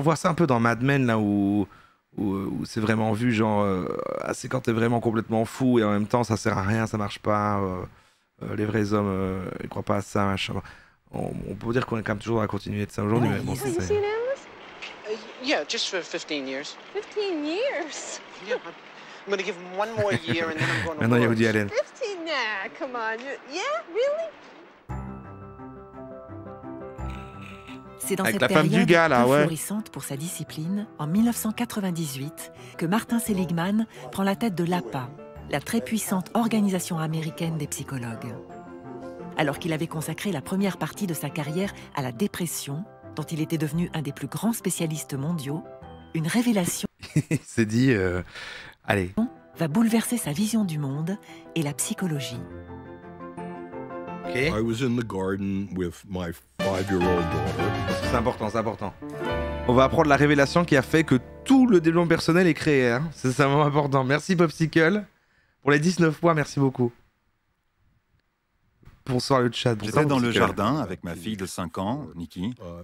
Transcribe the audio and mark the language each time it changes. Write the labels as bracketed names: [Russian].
[French] On voit ça un peu dans Mad Men, là, où... Où c'est vraiment vu, genre, c'est quand t'es vraiment complètement fou et en même temps ça sert à rien, ça marche pas, les vrais hommes ils croient pas à ça, machin. On peut dire qu'on est quand même toujours à continuer de ça aujourd'hui, mais bon, c'est. [English] Yeah, just for 15 years. 15 years? Yeah, I'm gonna give him one more year and then I'm going to. [French] Maintenant, il y a Woody Allen. [English] 15, nah, come on. Yeah, really? [French] C'est dans cette période florissante pour sa discipline, en 1998, que Martin Seligman prend la tête de l'APA, la très puissante organisation américaine des psychologues. Alors qu'il avait consacré la première partie de sa carrière à la dépression, dont il était devenu un des plus grands spécialistes mondiaux, une révélation s'est dit, allez. Va bouleverser sa vision du monde et la psychologie. [English] Okay. I was in the garden with my 5-year-old daughter. [French] C'est important, c'est important. On va apprendre la révélation qui a fait que tout le développement personnel est créé. Hein. C'est un moment important. Merci Popsicle. Pour les 19 points, merci beaucoup. Bonsoir le chat. J'étais dans Popsicle. Le jardin avec ma fille de 5 ans, Nikki.